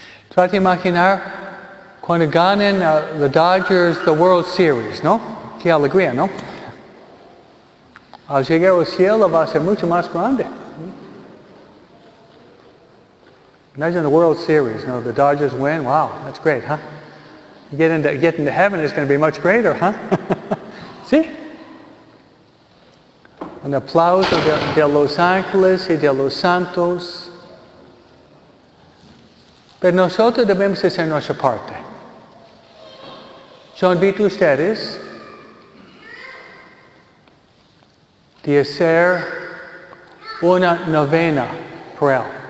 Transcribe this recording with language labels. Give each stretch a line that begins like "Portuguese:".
Spanish: Trata de imaginar cuando ganan the Dodgers the World Series, ¿no? Qué alegría, ¿no? Al llegar al cielo va a ser mucho más grande.
English: Imagine the World Series, ¿no? The Dodgers win, wow, that's great, huh? Getting to heaven is going to be much greater, huh?
Spanish: ¿Sí? Un aplauso de los ángeles y de los santos. Pero nosotros debemos hacer nuestra parte. Yo invito a ustedes de hacer una novena por él.